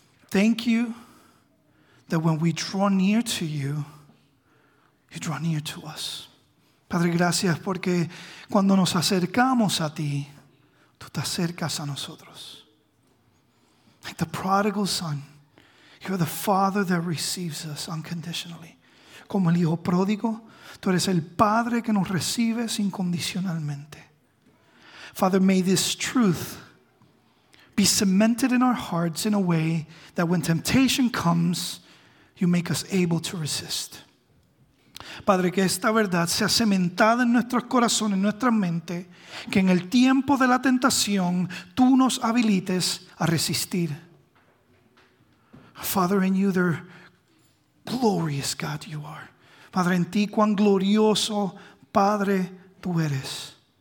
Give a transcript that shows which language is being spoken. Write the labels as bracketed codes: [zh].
[en] Thank you that when we draw near to you, you draw near to us. [es] Padre, gracias porque cuando nos acercamos a ti, tú te acercas a nosotros. [en] Like the prodigal son, you are the father that receives us unconditionally. [es] Como el hijo pródigo, tú eres el Padre que nos recibes incondicionalmente. [en] Father, may this truth be cemented in our hearts in a way that when temptation comes, you make us able to resist. [es] Padre, que esta verdad sea cementada en nuestros corazones, en nuestra mente, que en el tiempo de la tentación, tú nos habilites a resistir. [en] Father, in you, there glorious God you are. [es] Padre, en ti, cuán glorioso Padre tú eres.